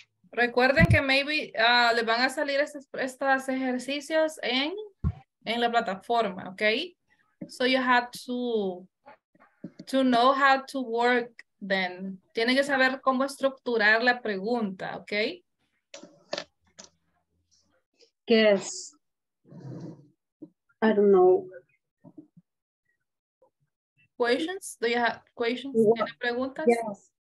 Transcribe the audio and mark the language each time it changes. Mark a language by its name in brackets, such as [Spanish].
[Spanish] Recuerden que maybe les van a salir estos ejercicios en la plataforma, okay? [English] So you have to know how to work then. [Spanish] Tienen que saber cómo estructurar la pregunta, okay? [English] Yes. I don't know. Questions? Do you have questions? What? [Spanish] ¿Tiene preguntas? [English] Yes.